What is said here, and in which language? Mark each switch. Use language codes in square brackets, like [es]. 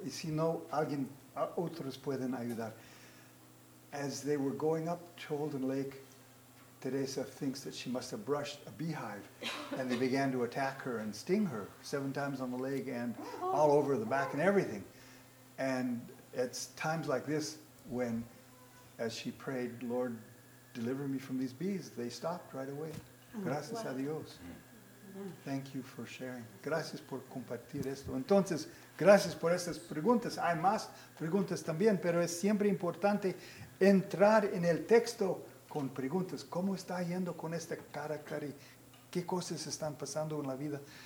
[es] Y si no, otros pueden ayudar. [en] As they were going up to Holden Lake, Teresa thinks that she must have brushed a beehive, and they began to attack her and sting her 7 times on the leg and all over the back and everything. And it's times like this when, as she prayed, Lord, deliver me from these bees, they stopped right away. [es] Gracias a Dios. [en] Thank you for sharing. [es] Gracias por compartir esto. Entonces, gracias por estas preguntas. Hay más preguntas también, pero es siempre importante entrar en el texto con preguntas. ¿Cómo está yendo con esta cara, Clary? ¿Qué cosas están pasando en la vida?